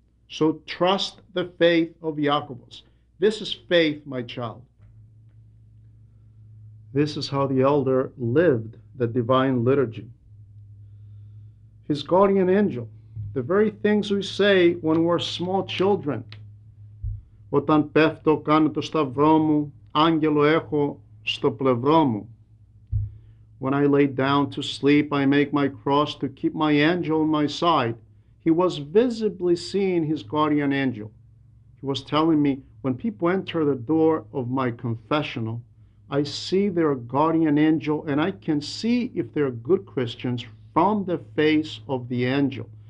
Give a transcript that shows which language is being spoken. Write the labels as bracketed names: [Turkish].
[English] So trust the faith of Jacobus. This is faith, my child. This is how the elder lived the divine liturgy. His guardian angel, the very things we say when we're small children. [Greek] Όταν πέφτω κάνω το σταυρό μου, άγγελο έχω στο πλευρό μου. [English] When I lay down to sleep, I make my cross to keep my angel on my side. He was visibly seeing his guardian angel. He was telling me, when people enter the door of my confessional, I see their guardian angel and I can see if they're good Christians from the face of the angel.